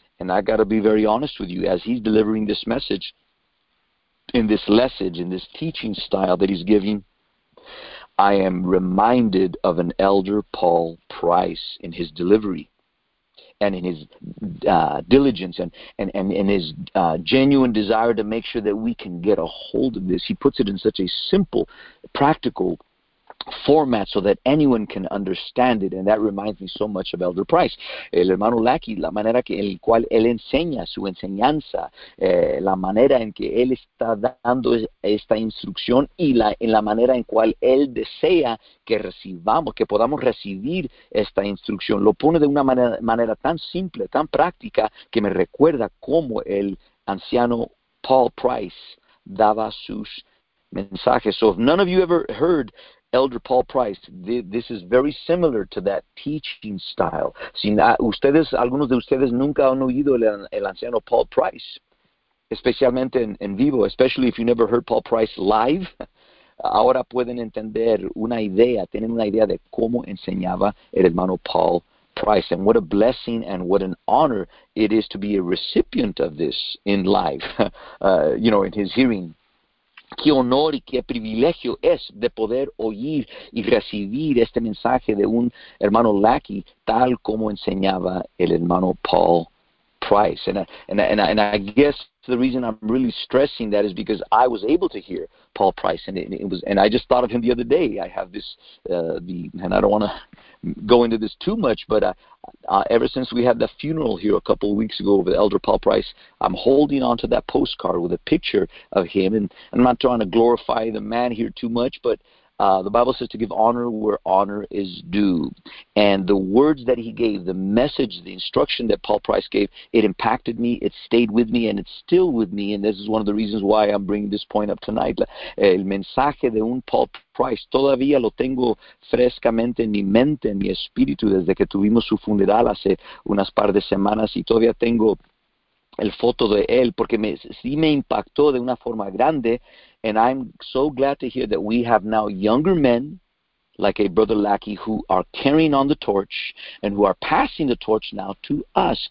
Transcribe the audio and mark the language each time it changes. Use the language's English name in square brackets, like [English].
[English] And I got to be very honest with you, as he's delivering this message, in this lesson, in this teaching style that he's giving, I am reminded of an elder Paul Price in his delivery. and in his diligence and his genuine desire to make sure that we can get a hold of this, he puts it in such a simple, practical format so that anyone can understand it. And that reminds me so much of Elder Price. [Spanish] El hermano Lackey, la manera que el cual él enseña su enseñanza, la manera en que él está dando esta instrucción y en la manera en cual él desea que recibamos, que podamos recibir esta instrucción. Lo pone de una manera tan simple, tan práctica, que me recuerda cómo el anciano Paul Price daba sus mensajes. [English] So if none of you ever heard Elder Paul Price, this is very similar to that teaching style. [Spanish] Si ustedes, algunos de ustedes nunca han oído el anciano Paul Price, especialmente en vivo, [English] especially if you never heard Paul Price live, [Spanish] ahora pueden entender una idea, tienen una idea de cómo enseñaba el hermano Paul Price. [English] And what a blessing and what an honor it is to be a recipient of this in life, you know, in his hearing. [Spanish] Qué honor y qué privilegio es de poder oír y recibir este mensaje de un hermano Lackey, tal como enseñaba el hermano Paul Price. [English] And I guess the reason I'm really stressing that is because I was able to hear Paul Price, and I just thought of him the other day. I have this, and I don't want to go into this too much, but ever since we had the funeral here a couple of weeks ago of Elder Paul Price, I'm holding on to that postcard with a picture of him, and I'm not trying to glorify the man here too much, but the Bible says to give honor where honor is due. And the words that he gave, the message, the instruction that Paul Price gave, it impacted me, it stayed with me, and it's still with me. And this is one of the reasons why I'm bringing this point up tonight. [Spanish] El mensaje de un Paul Price, todavía lo tengo frescamente en mi mente, en mi espíritu, desde que tuvimos su funeral hace unas par de semanas, y todavía tengo el foto de él, porque me impactó de una forma grande. [English] And I'm so glad to hear that we have now younger men, like a brother Lackey, who are carrying on the torch and who are passing the torch now to us.